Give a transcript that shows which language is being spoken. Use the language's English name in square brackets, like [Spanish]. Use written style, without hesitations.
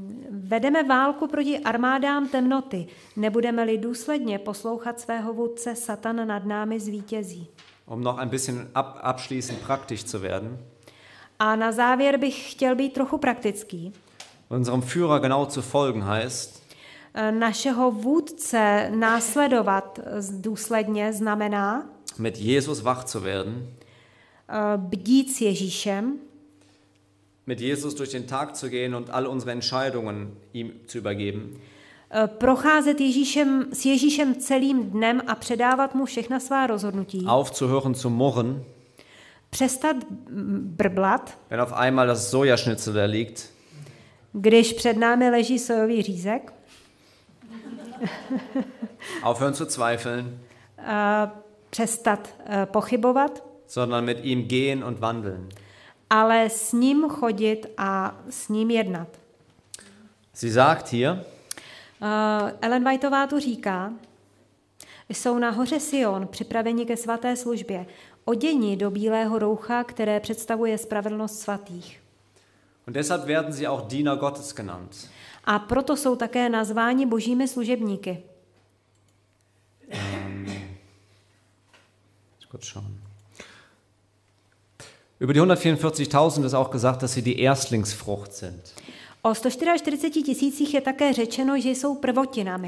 [Czech] Vedeme válku proti armádám temnoty. Nebudeme-li důsledně poslouchat svého vůdce, Satan nad námi zvítězí. [German] Um noch ein bisschen abschließend praktisch zu werden. [Czech] A na závěr bych chtěl být trochu praktický. [German] Unserem Führer genau zu folgen heißt. [Czech] Našeho vůdce následovat důsledně znamená. [German] Mit Jesus wach zu werden. [Czech] Bdít s Ježíšem. [German] Mit Jesus durch den Tag zu gehen und all unsere Entscheidungen ihm zu übergeben. [Czech] Procházet Ježíšem, s Ježíšem celým dnem a předávat mu všechna svá rozhodnutí. [German] Aufzuhören zu murren. [Czech] Přestat brblat. [German] Wenn auf einmal das Sojaschnitzel da liegt. [Czech] Když před námi leží sojový řízek. [German] Aufhören zu zweifeln. [Czech] Přestat pochybovat. [German] Sondern mit ihm gehen und wandeln. [Czech] Ale s ním chodit a s ním jednat. [German] Sie sagt hier, [Czech] Ellen Whiteová tu říká, jsou na hoře Sion připraveni ke svaté službě, oděni do bílého roucha, které představuje spravedlnost svatých. [German] Und deshalb werden sie auch Diener Gottes genannt. [Czech] A proto jsou také nazváni božími služebníky. [German] Über die 144.000 ist auch gesagt, dass sie die Erstlingsfrucht sind. [Czech] O 144 tisících je také řečeno, že jsou prvotinami.